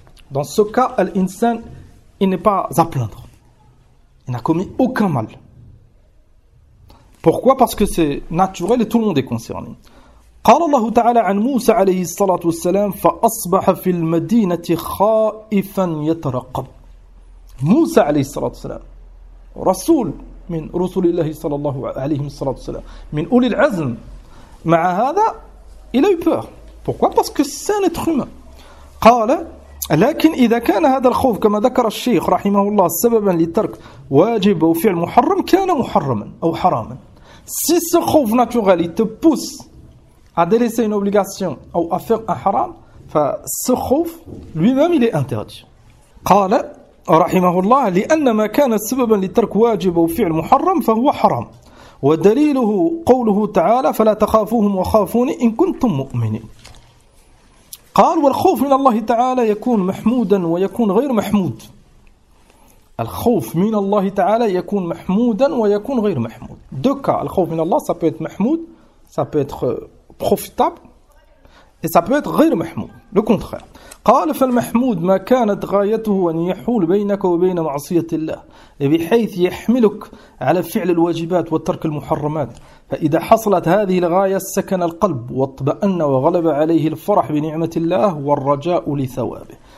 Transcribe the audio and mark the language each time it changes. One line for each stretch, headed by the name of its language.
French: Dans ce cas, l'insan, il n'est pas à plaindre. Il n'a commis aucun mal. Pourquoi ? Parce que c'est naturel et tout le monde est concerné.
Arabic: قال الله تعالى عن موسى عليه الصلاة والسلام فأصبح في المدينة خائفا يترقب. موسى عليه الصلاة والسلام رسول من رسول الله صلى الله عليه الصلاة والسلام من أولي العزم. مع هذا
French: il a eu peur. Pourquoi ? Parce que c'est un être humain.
Arabic: قال لكن إذا كان هذا الخوف كما ذكر الشيخ رحمه الله سببا للترك واجب أو فعل محرم كان محرما أو حراما.
French: Si ce khouf naturel il te pousse à délaisser une obligation ou à faire un haram, ce khouf lui-même il est interdit.
Arabic: قال رحمه الله لأن ما كان سببا لترك واجب أو فعل محرم فهو حرام ودليله قوله تعالى فلا تخافوهم وخافوني إن كنتم مؤمنين. قال والخوف من الله تعالى يكون محمودا ويكون غير محمود. الخوف من الله تعالى يكون محمودا ويكون غير محمود.
French: Deux cas.
Arabic: الخوف من الله
French: ça peut être محمود, ça peut être profitable et ça peut être غير محمود, le contraire.
Arabic: قال فالمحمود ما كانت غايته أن يحول بينك وبين معصية الله بحيث يحملك على فعل الواجبات وترك المحرمات فإذا حصلت هذه الغاية سكن القلب واطمأن وغلب عليه الفرح بنعمة الله والرجاء لثوابه.